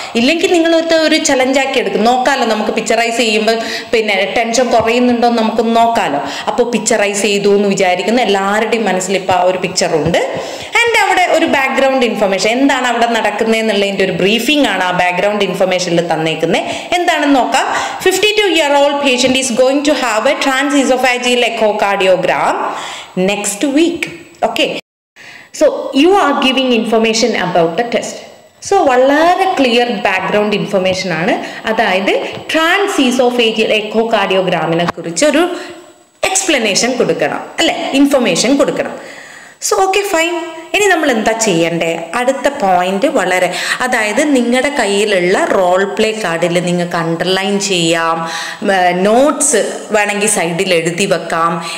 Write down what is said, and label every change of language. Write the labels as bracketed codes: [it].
[ml] ഇല്ലെങ്കിൽ നിങ്ങൾ ഒരു ചലഞ്ചാക്കി എടുക്കും. നോക്കാമല്ലോ നമുക്ക് പിക്ചറൈസ് ചെയ്യുമ്പോൾ പിന്നെ ടെൻഷൻ കുറയുന്നുണ്ടോ എന്ന് നമുക്കൊന്ന് നോക്കാമല്ലോ. അപ്പോൾ പിക്ചറൈസ് ചെയ്തു എന്ന് വിചാരിക്കുന്ന എല്ലാവരുടെയും മനസ്സിൽ ഇപ്പോൾ ആ ഒരു പിക്ചറുണ്ട്. ആൻഡ് അവിടെ ഒരു ബാക്ക്ഗ്രൗണ്ട് ഇൻഫർമേഷൻ, എന്താണ് അവിടെ നടക്കുന്നതെന്നുള്ളതിൻ്റെ ഒരു ബ്രീഫിംഗ് ആണ് ആ ബാക്ക്ഗ്രൗണ്ട് ഇൻഫർമേഷനിൽ തന്നേക്കുന്നത്. എന്താണെന്ന് നോക്കാം. [en] 52-year-old patient is going to have a transesophageal echocardiogram next week. Okay. So you are giving information about the test. [ml] So വളരെ ക്ലിയർ ബാക്ക്ഗ്രൗണ്ട് ഇൻഫർമേഷൻ ആണ്. അതായത് ട്രാൻസ് ഈസോഫേജിയൽ എക്കോ കാർഡിയോഗ്രാമിനെ കുറിച്ച് ഒരു എക്സ്പ്ലനേഷൻ കൊടുക്കണം അല്ലെ, ഇൻഫർമേഷൻ കൊടുക്കണം. So okay fine. ഇനി നമ്മൾ എന്താ ചെയ്യണ്ടേ? അടുത്ത പോയിന്റ് വളരെ, അതായത് നിങ്ങളുടെ കയ്യിലുള്ള റോൾ പ്ലേ കാർഡിൽ നിങ്ങൾക്ക് അണ്ടർലൈൻ ചെയ്യാം, നോട്ട്സ് വേണമെങ്കിൽ സൈഡിൽ എഴുതി വെക്കാം.